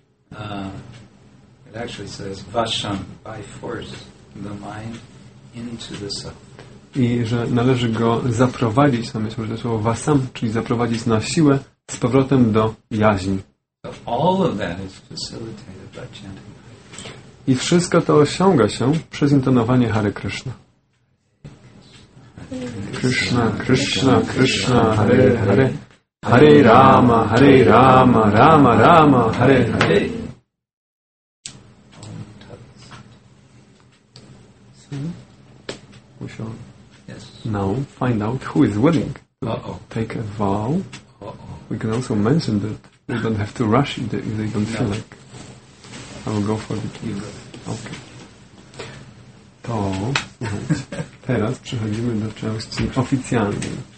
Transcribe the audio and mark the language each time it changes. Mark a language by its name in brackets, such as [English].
[English] It actually says vasham, by force, the mind into the self. [Polish] I że należy go zaprowadzić, na myśl, że to słowo vasam, czyli zaprowadzić na siłę z powrotem do jaźni. [English] So all of that is facilitated by chanting. [Polish] I wszystko to osiąga się przez intonowanie Hare Krishna. [Sanskrit] Krishna, Krishna, Krishna, Hare, Hare, Hare Rama, Hare Rama, Rama, Rama, Hare, Hare. [English] We shall now find out who is willing to take a vow. We can also mention that we don't have to rush if they don't feel like. I will go for the key. Okay. [Polish] To teraz przechodzimy do części oficjalnej.